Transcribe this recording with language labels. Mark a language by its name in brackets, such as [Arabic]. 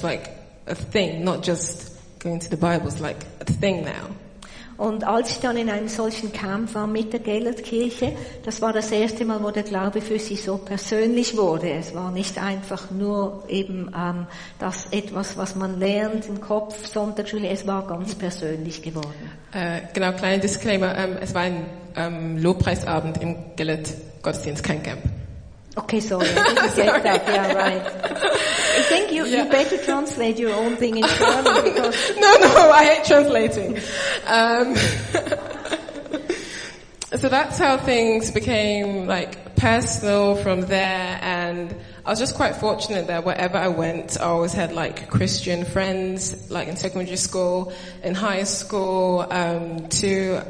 [English] It's like a thing, not just going to the Bible. It's like a thing now. [German] Und als ich dann in einem solchen Camp war mit der Gellertkirche, das war das erste Mal, wo der Glaube für sie so persönlich wurde. Es war nicht einfach nur eben das etwas, was man lernt im Kopf, Sonntagsschule, es war ganz persönlich geworden. Genau, kleiner Disclaimer, es war ein Lobpreisabend im Gellert-Gottesdienst, kein Camp. [English] Okay, sorry. Sorry. Yeah, right. I think you, yeah. You better translate your own thing in German. No, I hate translating. So that's how things became like personal from there, and I was just quite fortunate that wherever I went, I always had like Christian friends, like in secondary school, in high school, too.